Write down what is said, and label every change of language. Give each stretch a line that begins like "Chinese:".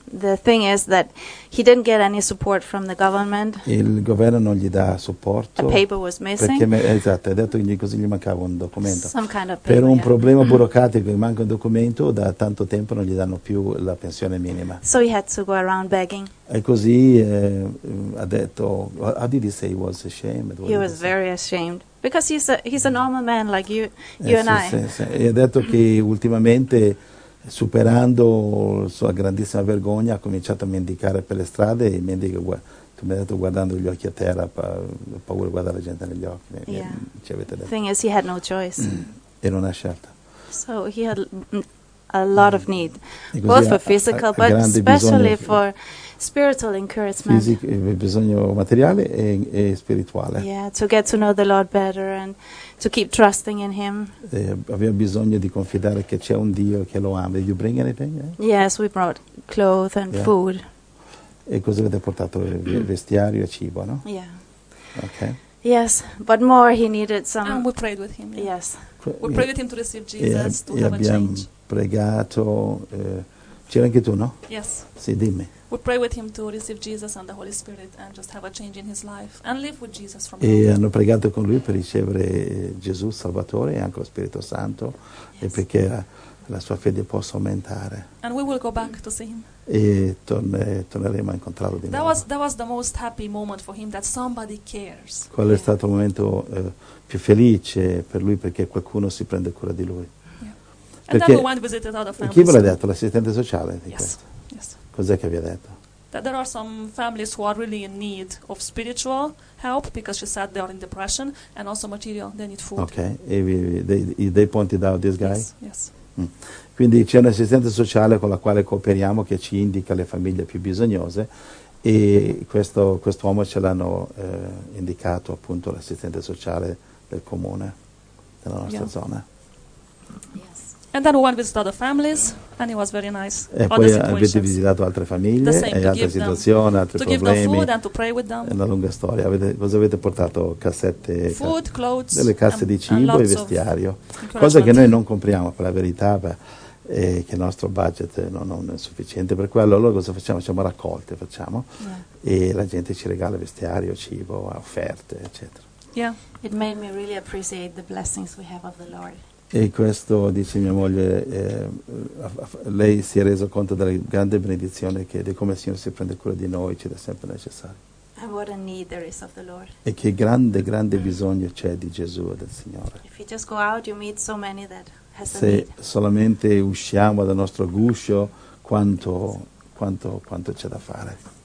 English: The thing is that he didn't get any support from the government.
Italian: Il governo non gli dà supporto.
English: A paper was missing.
Italian: Perché esatto, ha detto che così gli mancava un documento.
English: Some kind of paper.
Italian: Per un problema burocratico che manca un documento, da tanto tempo non gli danno più la pensione minima.
English: So he had to go around begging.
Italian: E così ha detto,
English: how did he say he was ashamed? He was very ashamed. Because he's a normal man like you and I.
Italian: E ha detto che ultimamente, superando la sua grandissima vergogna, ha cominciato a mendicare per le strade e mendica guardando gli occhi a terra, paura di guardare la gente negli occhi.
English: Yeah.
Italian: Ci avete detto.
English: The thing is, he had no choice.
Italian: E non ha scelta.
English: So he had a lot of need, both for physical, but especially for spiritual encouragement.
Italian: Bisogno materiale e spirituale.
English: Yeah, to get to know the Lord better and to keep trusting in Him.
Italian: Aveva bisogno di confidare che c'è un Dio che lo ama.
English: Did you bring anything? Yes, we brought clothes and food.
Italian: E cosa avete portato? Vestiario e cibo, no?
English: Yeah. Okay. Yes, but more he needed some. And we prayed with him. Yeah. Yes. We prayed with him to receive Jesus, to have a change.
Italian: Pregato. C'eri anche tu, no?
English: Yes.
Italian: Sì, dimmi.
English: We pray with him to receive Jesus and the Holy Spirit and just have a change in his life and live with Jesus from E God.
Italian: Hanno pregato con lui per ricevere Gesù Salvatore e anche lo Spirito Santo e perché la sua fede possa aumentare.
English: And we will go back to see him.
Italian: E torneremo a incontrarlo di nuovo.
English: That was the most happy moment for him, that somebody cares.
Italian: Qual è stato il momento più felice per lui, perché qualcuno si prende cura di lui? Perché,
English: and then we went and visited other families.
Italian: Chi ve l'ha detto? L'assistente sociale di questo?
English: Yes.
Italian: Cos'è che vi ha detto?
English: That there are some families who are really in need of spiritual help, because she said they are in depression, and also material, they need food. Okay. They pointed out this guy? Yes.
Italian: Quindi c'è un assistente sociale con la quale cooperiamo, che ci indica le famiglie più bisognose, e questo uomo ce l'hanno indicato, appunto, l'assistente sociale del comune, della nostra zona.
English: And then one visited other families, and it was very nice.
Italian: E poi avete visitato altre famiglie,
English: same,
Italian: e altre situazioni, altri problemi.
English: To give them food and to pray with them.
Italian: È una lunga storia. Cosa avete portato? Cassette?
English: Food, clothes.
Italian: Delle casse di cibo e vestiario. Cosa che noi non compriamo, per la verità, e che il nostro budget non è sufficiente per quello. Allora cosa facciamo? Facciamo raccolte.
English: Yeah.
Italian: E la gente ci regala vestiario, cibo, offerte, eccetera.
English: Yeah. It made me really appreciate the blessings we have of the Lord.
Italian: E questo, dice mia moglie, lei si è reso conto della grande benedizione che di come il Signore si prende cura di noi, ci dà sempre necessario.
English: And what a need there is of the Lord.
Italian: E che grande, grande bisogno c'è di Gesù e del Signore.
English: If you just go out, you meet so many that has
Italian: Se
English: a need.
Italian: Solamente usciamo dal nostro guscio, quanto c'è da fare.